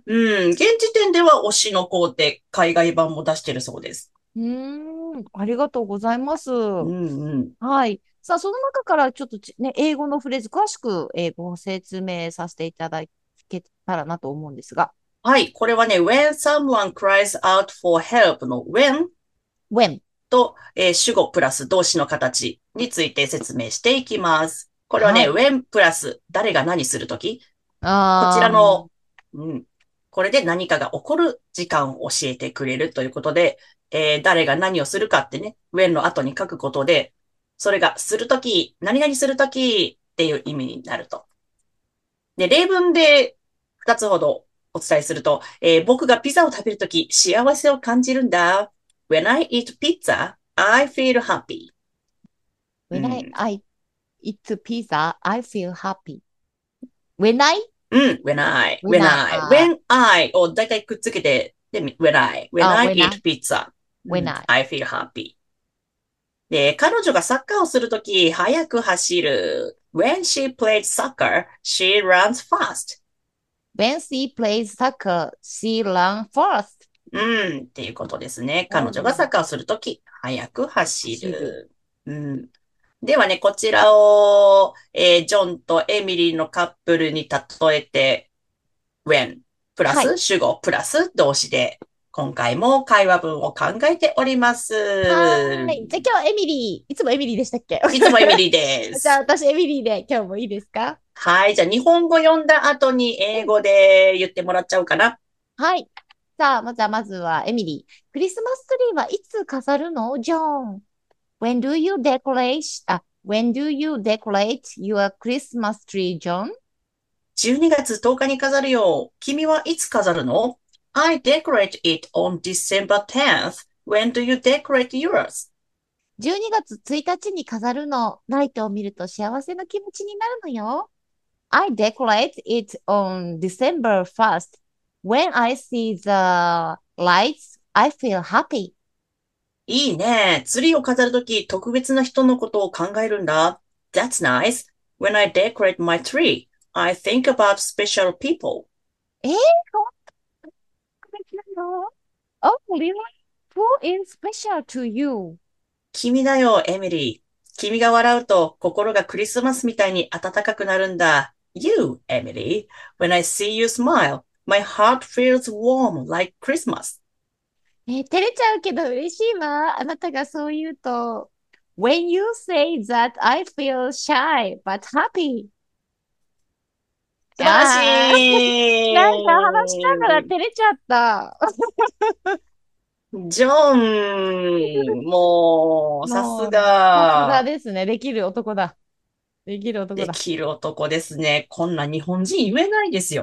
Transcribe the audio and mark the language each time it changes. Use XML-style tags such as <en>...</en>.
<ja>現時点では推しの子って海外版も出してるそうです。ありがとうございます。はい。さあ、その中からちょっと、ね、英語のフレーズ、詳しく、ご説明させていただけたらなと思うんですが。はい。これはね、</ja> <en>When someone cries out for help の When。</en> <ja>と、主語プラス動詞の形について説明していきます。これはね、はい、when プラス誰が何するとき、こちらの、これで何かが起こる時間を教えてくれるということで、誰が何をするかってね、when の後に書くことで、それがするとき、何々するときっていう意味になると。で、例文で2つほどお伝えすると、僕がピザを食べるとき幸せを感じるんだ。</ja> <en>When I eat pizza, I feel happy. When I eat pizza, I feel happy. When I? When I</en> <ja>をだいたいくっつけて、</ja> <en>When I eat pizza, I feel happy.</en> <ja>で、彼女がサッカーをするとき、早く走る。</ja> <en>When she plays soccer, she runs fast. When she plays soccer, she runs fast.</en> <ja>っていうことですね。彼女がサッカーをするとき、早く走る。ではね、こちらを、ジョンとエミリーのカップルに例えて、when プラス主語プラス動詞で、今回も会話文を考えております。はい。じゃあ今日エミリー、いつもエミリーでしたっけ？いつもエミリーです。じゃあ私エミリーで今日もいいですか？はい。じゃあ日本語読んだ後に英語で言ってもらっちゃうかな。はい。さあ、まずはエミリー。クリスマスツリーはいつ飾るの？ジョン。</ja> <en>When do you decorate,、when do you decorate your Christmas tree, John?</en> <ja>12月10日に飾るよ。君はいつ飾るの？</ja> <en>I decorate it on December 10th. When do you decorate yours?</en> <ja>12月1日に飾るの。ライトを見ると幸せな気持ちになるのよ。</ja> <en>I decorate it on December 1st. When I see the lights, I feel happy.</en> <ja>いいね。ツリーを飾るとき、特別な人のことを考えるんだ。</ja> <en>That's nice. When I decorate my tree, I think about special people.</en> <ja>え？特別なの？</ja> <en>Oh, really? Who is special to you?</en> <ja>君だよ、エミリー。君が笑うと心がクリスマスみたいに暖かくなるんだ。</ja> <en>You, Emily. When I see you smile, my heart feels warm like Christmas.</en> <ja>照れちゃうけど嬉しいわ。あなたがそう言うと。</ja> <en>When you say that, I feel shy, but happy.</en> <ja>素晴らしい。なんか話しながら照れちゃった。ジョン、もう、さすが。さすがですね。できる男だ。できる男だ。できる男ですね。こんな日本人言えないですよ。</ja>